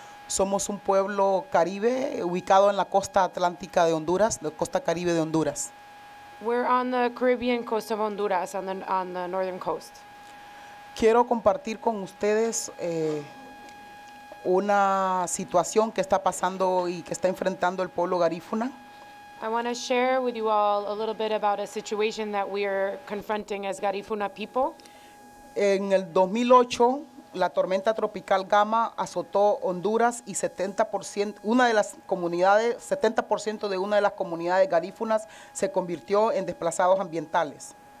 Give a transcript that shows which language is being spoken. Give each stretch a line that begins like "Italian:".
Spanish: Somos un pueblo caribe ubicado en la costa atlántica de Honduras, la costa caribe de Honduras.
English: We're on the Caribbean coast of Honduras, on the northern coast.
Spanish: Quiero compartir con ustedes una situación que está pasando y que está enfrentando el pueblo garífuna.
English: I want to share with you all a little bit about a situation that we are confronting as Garifuna people.
Spanish: En el 2008, la tormenta tropical Gama azotó Honduras y 70% una de las comunidades, 70% de una de las comunidades garífunas se convirtió en desplazados ambientales.